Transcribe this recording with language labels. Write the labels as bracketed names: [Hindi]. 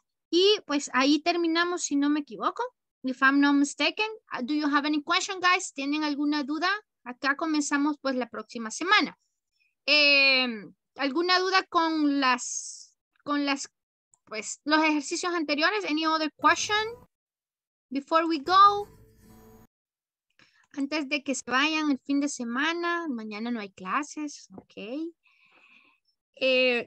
[Spanish] Y pues ahí terminamos, si no me equivoco. [English] If I'm not mistaken, do you have any question, guys? [Spanish] ¿Tienen alguna duda? Acá comenzamos pues la próxima semana. ¿Alguna duda con las pues los ejercicios anteriores? [English] Any other question before we go? [Spanish] Antes de que se vayan el fin de semana, mañana no hay clases, ok.